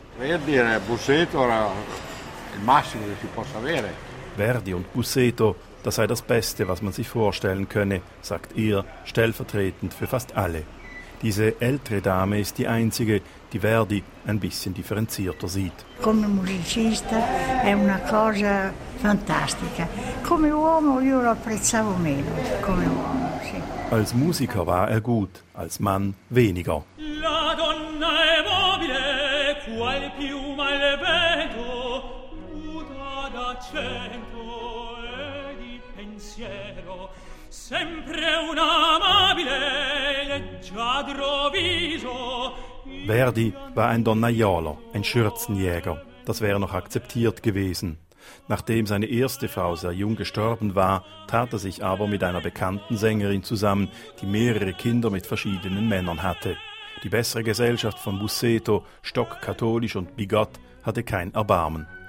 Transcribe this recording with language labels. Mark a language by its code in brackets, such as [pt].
[de] Verdi und Busseto war das Massimo, das man haben kann. Verdi und Busseto, das sei das Beste, was man sich vorstellen könne, sagt er, stellvertretend für fast alle. Diese ältere Dame ist die einzige, die Verdi ein bisschen differenzierter sieht. [it] Come musicista è una cosa fantastica. Come uomo io lo apprezzavo meno. Come uomo, sì. [de] Als Musiker war er gut, als Mann weniger. [it] La donna è mobile, qual più mal vedo, muta d'accento e di pensiero. Sempre un amabile leggiadro viso. [de] Verdi war ein Donnaiolo, ein Schürzenjäger. Das wäre noch akzeptiert gewesen. Nachdem seine erste Frau sehr jung gestorben war, tat er sich aber mit einer bekannten Sängerin zusammen, die mehrere Kinder mit verschiedenen Männern hatte. Die bessere Gesellschaft von Busseto, stockkatholisch und bigott, hatte kein Erbarmen.